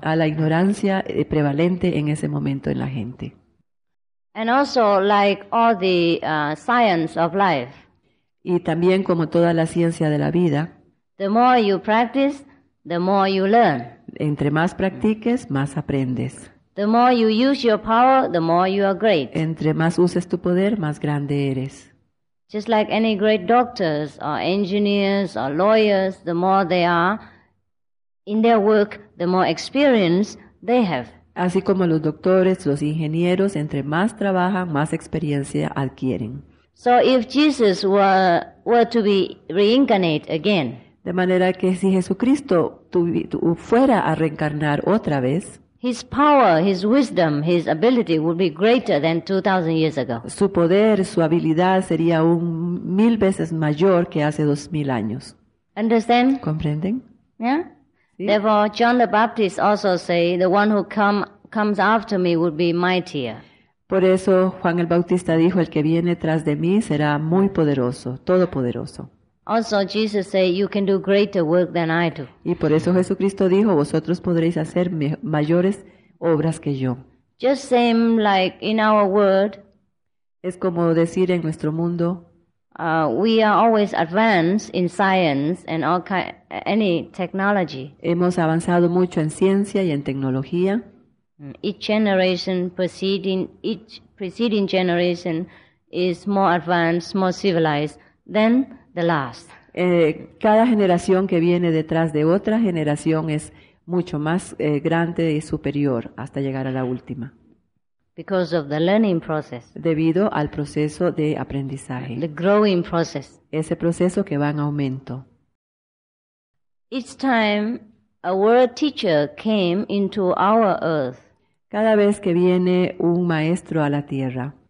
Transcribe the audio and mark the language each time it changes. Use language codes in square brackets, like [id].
[es] a la ignorancia prevalente en ese momento en la gente. [en] And also like all the science of life. [es] Y también como toda la ciencia de la vida. [en] The more you practice, the more you learn. [es] Entre más practiques, más aprendes. [en] The more you use your power, the more you are great. [es] Entre más uses tu poder, más grande eres. [en] Just like any great doctors or engineers or lawyers, the more they are in their work, the more experience they have. [es] Así como los doctores, los ingenieros, entre más trabajan, más experiencia adquieren. [en] So if Jesus were to be reincarnate again, [es] de manera que si Jesucristo fuera a reencarnar otra vez, [en] his power, his wisdom, his ability would be greater than 2,000 years ago. [es] Su poder, su habilidad sería un mil veces mayor que hace 2,000 años. [en] Understand? [es] ¿Comprenden? [en] Yeah? [es] ¿Sí? [en] Therefore, John the Baptist also say, the one who comes after me would be mightier. [es] Por eso, Juan el Bautista dijo, el que viene tras de mí será muy poderoso, todopoderoso. [en] Also, Jesus said, you can do greater work than I do. [es] Y por eso Jesucristo dijo, vosotros podréis hacer mayores obras que yo. [en] Just same like in our world. [es] Es como decir en nuestro mundo. [en] We are always advanced in science and any technology. [es] Hemos avanzado mucho en ciencia y en tecnología. [en] Each generation preceding generation is more advanced, more civilized than the last. [es] Cada generación que viene detrás de otra generación es mucho más grande y superior hasta llegar a la última. [en] Because of the learning process. [es] Debido al proceso de aprendizaje. [en] The growing process. [es] Ese proceso que va en aumento. [en] Each time a world teacher came into our earth. [es] Cada vez que viene un maestro a la tierra.